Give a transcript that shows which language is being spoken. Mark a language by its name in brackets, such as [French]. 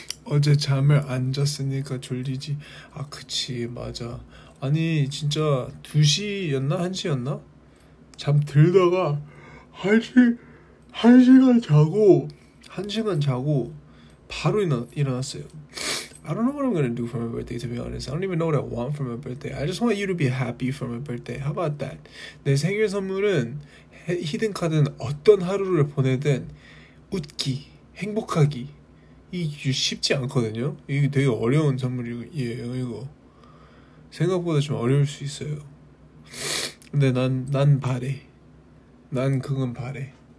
[Korean] 어제 잠을 안 잤으니까 졸리지. 아, 그치, 맞아. 아니, 진짜 2시였나? 1시였나? 잠 들다가 1시간 자고, 1시간 자고 바로 일어났어요. [English] I don't know what I'm gonna do for my birthday, to be honest. I don't even know what I want for my birthday. I just want you to be happy for my birthday. How about that? [Korean] 내 생일 선물은 히든 카드는 어떤 하루를 보내든 웃기, 행복하기. 이게 쉽지 않거든요. 이게 되게 어려운 선물이에요, 이거. 생각보다 좀 어려울 수 있어요. 근데 난 바래. 난 그건 바래.